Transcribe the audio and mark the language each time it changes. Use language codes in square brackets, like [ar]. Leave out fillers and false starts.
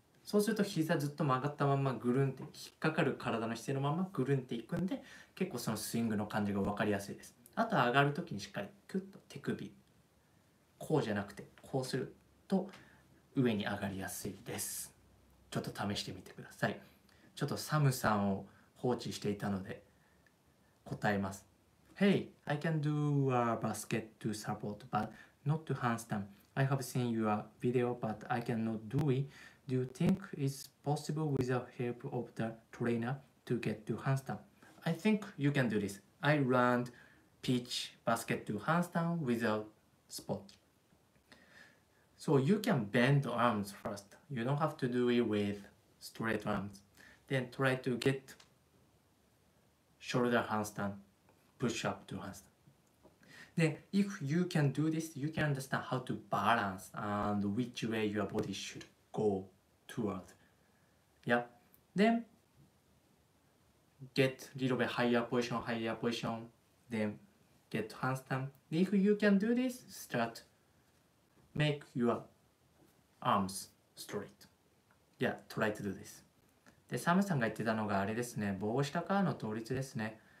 [ja] そうすると膝ずっと曲がったままぐるんって引っかかる、体の姿勢のままぐるんっていくんで、結構そのスイングの感じが分かりやすいです。あと上がる時にしっかりクッと手首、こうじゃなくてこうすると上に上がりやすいです。ちょっと試してみてください。ちょっとサムさんを放置していたので答えます。 [en] Hey, I can do a basket to support but not to handstand. I have seen your video but I cannot do it. Do you think it's possible with the help of the trainer to get to handstand? I think you can do this. I learned peach basket to handstand without support. So you can bend arms first. You don't have to do it with straight arms. Then try to getShoulder handstand, push up to handstand. Then if you can do this, you can understand how to balance and which way your body should go toward. Yep. Then get a little bit higher position, then get handstand. If you can do this, start make your arms straight. Yeah, try to do this. [ja] で、サムさんが言ってたのがあれですね、棒下からの倒立ですね。